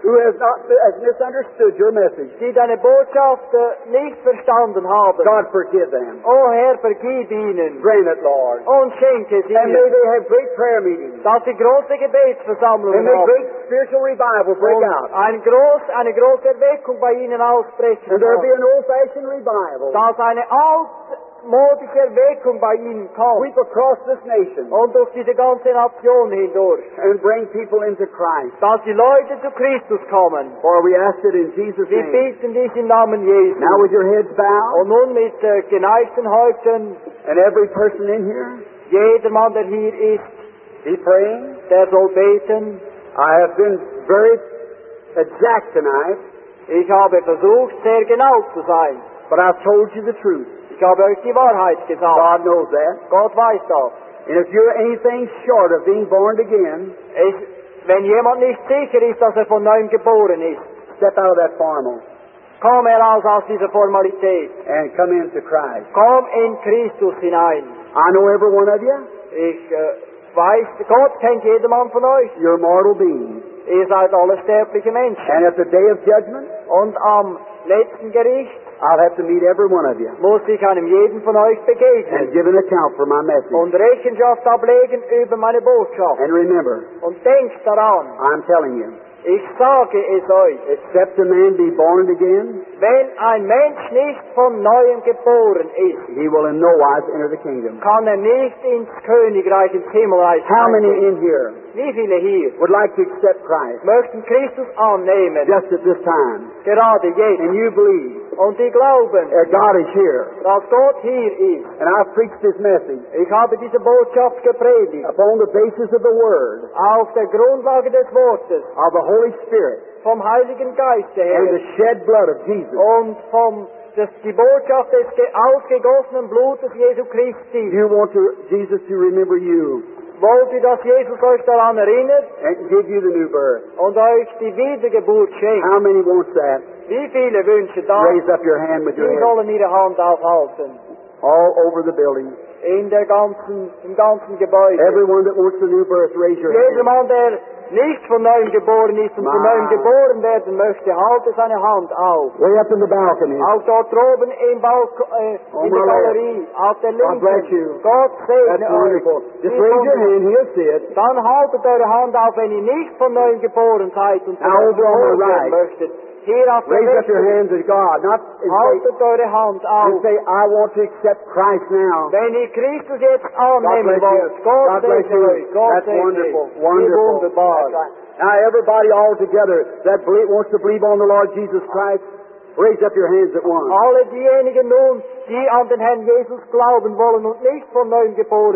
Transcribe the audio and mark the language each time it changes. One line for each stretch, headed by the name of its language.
English: Who has misunderstood your message.
German: Die deine Botschaft nicht verstanden haben.
English: God forgive them.
German: Oh Herr, vergib ihnen.
English: Grant it, Lord.
German: Und schenke es ihnen.
English: And may they have great prayer meetings.
German: Dass sie große Gebetsversammlungen haben.
English: And may great spiritual revival break
German: und
English: out.
German: Eine große Erweckung bei ihnen aussprechen.
English: And there be an old-fashioned revival.
German: Dass eine altmodische Erweckung bei ihnen kommt.
English: Sweep across this nation.
German: Und durch diese ganze Nation hindurch.
English: And bring people into Christ.
German: Dass die Leute zu Christus kommen.
English: For we ask it in Jesus' name.
German: Wir bitten dich im Namen Jesu.
English: Now with your heads bowed.
German: Und nun mit geneigten Häupten.
English: And every person in here.
German: Jeder Mann, der hier ist.
English: Be praying.
German: Der soll beten.
English: I have been very exact tonight.
German: Ich habe versucht, sehr genau zu sein.
English: But I've told you the truth.
German: Ich habe euch die Wahrheit gesagt.
English: God knows that.
German: Gott weiß das.
English: And if you're anything short of being born again,
German: wenn jemand nicht sicher ist, dass von neuem geboren ist,
English: step out of that formal.
German: Komm heraus aus dieser Formalität.
English: And come into Christ.
German: Komm in Christus hinein.
English: I know every one of you.
German: Ich weiß, Gott kennt jedermann von euch.
English: You're a mortal being.
German: Ihr seid alle sterbliche Menschen.
English: And at the day of judgment,
German: und am letzten Gericht,
English: I'll have to meet every one of you.
German: Muss ich einem jeden von euch begegnen.
English: And give an account for my message.
German: Und Rechenschaft ablegen über meine Botschaft.
English: And remember.
German: Und denkt daran.
English: I'm telling you.
German: Ich sage es euch.
English: Except a man be born again.
German: Wenn ein Mensch nicht von neuem geboren ist.
English: He will in no wise enter the kingdom.
German: Kann nicht ins Königreich, ins Himmelreich.
English: How many in here?
German: Wie viele hier?
English: Would like to accept Christ.
German: Möchten Christus annehmen.
English: Just at this time.
German: Gerade jetzt.
English: And you believe.
German: Und die glauben,
English: that God is here.
German: Dass Gott hier ist.
English: And I've preached this message.
German: Ich habe diese Botschaft gepredigt.
English: Upon the basis of the Word.
German: Auf der Grundlage des Wortes.
English: Of the Holy Spirit.
German: Vom Heiligen Geist her.
English: And the shed blood of Jesus.
German: Und vom die Botschaft des ausgegossenen Blutes Jesu Christi.
English: You want to, Jesus to remember you.
German: Wollt ihr, dass Jesus euch daran erinnert?
English: And give you the new birth.
German: Und euch die Wiedergeburt schenkt.
English: How many wants that?
German: Wie viele wünschen das?
English: Raise up your hand with your hand.
German: Sie sollen ihre Hand aufhalten.
English: All over the building.
German: In der ganzen, im ganzen Gebäude.
English: Everyone that wants the new birth, raise your
German: jeder
English: hand.
German: Jeder Mann, der nicht von neuem geboren ist und von neuem geboren werden möchte, halte seine Hand auf.
English: Way up in the balcony.
German: Auch dort oben im in der Galerie. Auf der linken.
English: God bless you.
German: Gott segne euch.
English: That's wonderful. Just raise your hand, he'll see it.
German: Dann haltet eure Hand auf, wenn ihr nicht von neuem geboren seid und von neuem geboren werden möchtet.
English: Raise up your hands as God, not as God. And say, I want to accept Christ now. God bless you. God bless you. That's wonderful. Wonderful. Now everybody all together that wants to believe on the Lord Jesus Christ, raise up your hands at once.
German: Alle diejenigen nun, die an den Herrn Jesus glauben wollen und nicht von neuem geboren